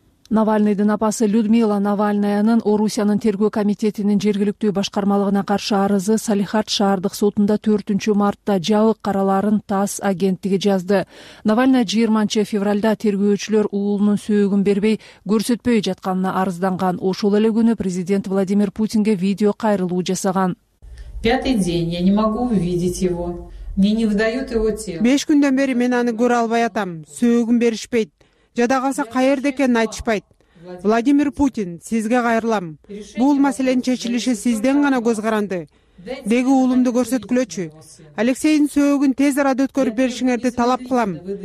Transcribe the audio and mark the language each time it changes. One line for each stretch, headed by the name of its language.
Kyrgyz: Навальныйдын апасы Людмила Навальнаянын Орусиянын тергөө комитетинин жергиликтүү башкармалыгына каршы арызы Салихард шаардык сотунда 4 мартта жабык караларын ТАСС агенттиги жазды. Навальна 20 февралда тергөөчүлөр уулунун сөөгүн бербей, көрсөтпөй жатканына арызданган. Ошол эле күнү президент Владимир Путинге видео кайрылуу жасаган.
Russian: 5-й день, я не могу увидеть его. Мне не выдают его тело.
Kyrgyz: 5 күндөн бери мен аны көрө албай атам. Сөөгүн беришпейт. Жада калса каерде экенин айтышпайт. Владимир Путин, сизге кайрылам. Бул маселенин чечилиши сизден гана көз каранды. Деги уулумду көрсөткүлөчү. Алексейдин сөөгүн тез арада өткөрүп беришиңерди талап кылам.